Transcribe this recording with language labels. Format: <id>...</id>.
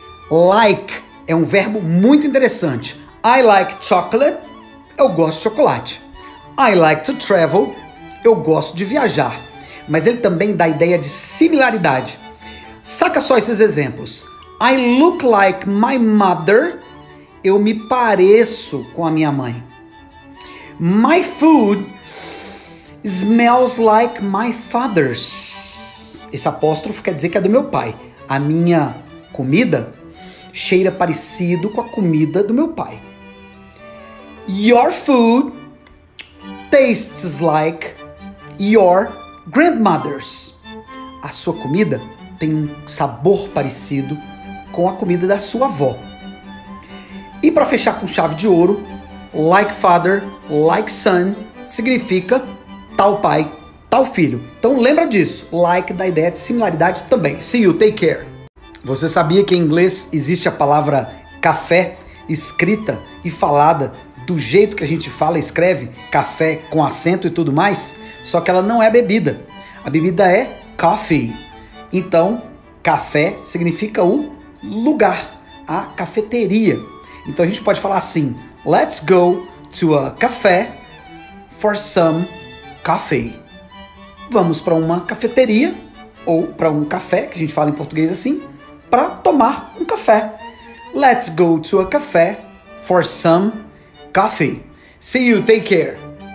<pt>Like é um verbo muito interessante.</pt> <en>I like chocolate,</en> <pt>eu gosto de chocolate.</pt> <en>I like to travel,</en> <pt>eu gosto de viajar. Mas ele também dá ideia de similaridade. Saca só esses exemplos.</pt> <en>I look like my mother,</en> <pt>eu me pareço com a minha mãe.</pt> <en>My food smells like my father's.</en> <pt>Esse apóstrofo quer dizer que é do meu pai. A minha comida cheira parecido com a comida do meu pai.</pt> <en>Your food tastes like your grandmother's.</en> <pt>A sua comida tem um sabor parecido com a comida da sua avó. E para fechar com chave de ouro,</pt> <en>like father, like son,</en> <pt>significa tal pai, tal filho. Então lembra disso, like dá ideia de similaridade também.</pt> <en>See you, take care.</en> <pt>Você sabia que em inglês existe a palavra café escrita e falada do jeito que a gente fala e escreve, café com acento e tudo mais? Só que ela não é bebida. A bebida é coffee. Então, café significa o lugar, a cafeteria. Então a gente pode falar assim,</pt> <en>let's go to a café for some coffee.</en> <pt>Vamos para uma cafeteria ou para um café, que a gente fala em português assim, para tomar um café.</pt> <en>Let's go to a café for some coffee. See you, take care.</en>